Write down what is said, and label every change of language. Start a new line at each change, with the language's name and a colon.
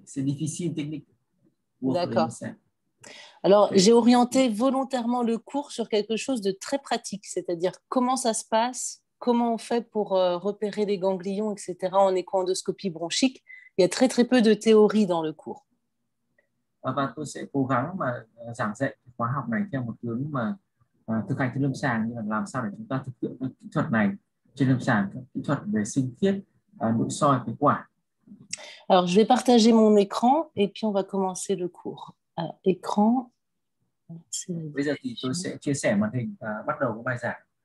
French: c'est difficile technique pour les D'accord. médecins. Alors, j'ai orienté volontairement le cours sur quelque chose de très pratique, c'est-à-dire comment ça se passe, comment on fait pour repérer les ganglions, etc., en éco-endoscopie bronchique. Il y a très, très peu de théorie dans le cours.
Vietnamese: Và tôi sẽ cố gắng mà giảng dạy khóa học này theo một hướng mà thực hành trên lâm sàng, như là làm sao để chúng ta thực hiện các kỹ thuật này trên lâm sàng, các kỹ thuật về sinh thiết nội soi phế quản.
French: Alors, je vais partager mon écran et puis on va commencer le cours. Alors, écran, c'est la
Vietnamese: Bây giờ thì tôi
French: diffusion.
Vietnamese: sẽ chia sẻ màn hình và bắt đầu cái bài giảng.